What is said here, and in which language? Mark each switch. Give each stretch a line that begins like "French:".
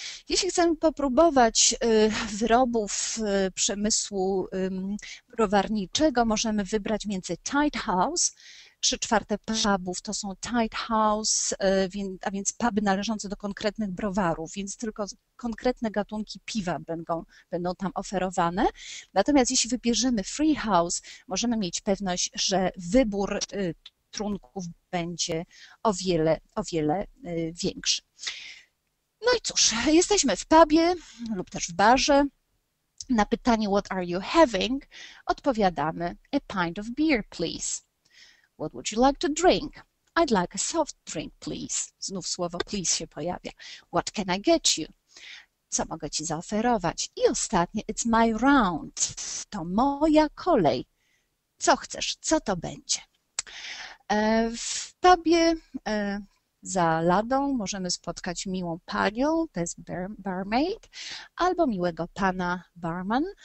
Polish: Jeśli chcemy popróbować wyrobów przemysłu browarniczego, możemy wybrać między Tight House, 3/4 pubów to są Tight House, a więc puby należące do konkretnych browarów, więc tylko konkretne gatunki piwa będą tam oferowane. Natomiast jeśli wybierzemy Free House, możemy mieć pewność, że wybór trunków będzie o wiele większy. No i cóż, jesteśmy w pubie lub też w barze. Na pytanie
English: what are you having?
Polish: Odpowiadamy
English: a pint of beer, please. What would you like to drink? I'd like a soft drink, please.
Polish: Znów słowo please się pojawia.
English: What can I get you?
Polish: Co mogę ci zaoferować? I ostatnie,
English: it's my round.
Polish: To moja kolej. Co chcesz? Co to będzie? W pubie za ladą możemy spotkać miłą panią, to jest barmaid, albo miłego pana, barman.